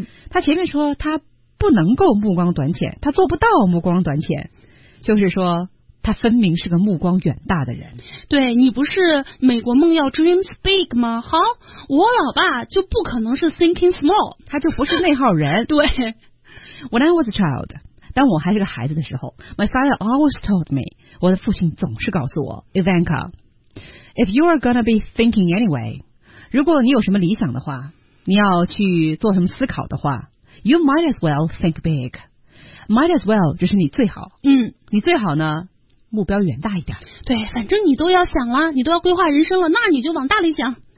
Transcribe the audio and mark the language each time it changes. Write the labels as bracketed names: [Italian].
[Chinese] 他前面说他不能够目光短浅，他做不到目光短浅，就是说他分明是个目光远大的人。对，你不是美国梦要 [English] dreams big [Chinese] 吗？好，我老爸就不可能是 [English] thinking small， [Chinese] 他就不是那号人。对， [English] When I was a child， [Chinese] 当我还是个孩子的时候， [English] My father always told me， [Chinese] 我的父亲总是告诉我， Ivanka， [English] If you are gonna be thinking anyway， [Chinese] 如果你有什么理想的话，你要去做什么思考的话， [English] You might as well think big。 Might as well [Chinese] 就是你最好，你最好呢目标远大一点。对，反正你都要想了，你都要规划人生了，那你就往大里想。